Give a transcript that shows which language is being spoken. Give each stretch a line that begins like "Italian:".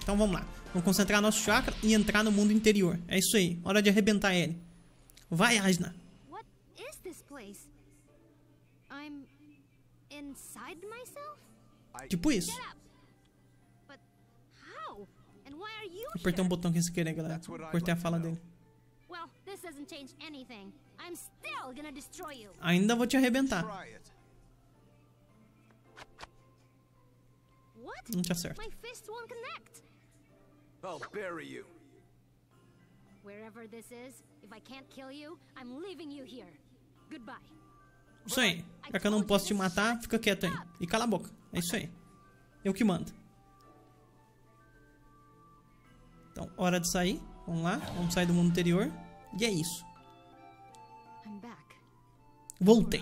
Portuguese: Então vamos lá. Vamos concentrar nosso chakra e entrar no mundo interior. É isso aí. Hora de arrebentar ele. Vai, Asna.
English: What is this place? I'm inside myself?
Portuguese: Tipo isso.
English: But how? And why are you?
Portuguese: Apertei um botão aqui sem querer, galera. Cortei a fala dele.
English: Well, this doesn't change anything. I'm still gonna destroy you.
Portuguese: Ainda vou te arrebentar. Não tinha certo.
English: My fists won't connect. I'll bury you. Wherever this is, if I can't kill you, I'm leaving you here. Goodbye.
Portuguese: Isso aí. Já que eu não posso te matar, fica quieto aí. E cala a boca. É isso aí. Eu que mando. Então, hora de sair. Vamos lá. Vamos sair do mundo interior. E é isso.
English: I'm back.
Portuguese: Voltei.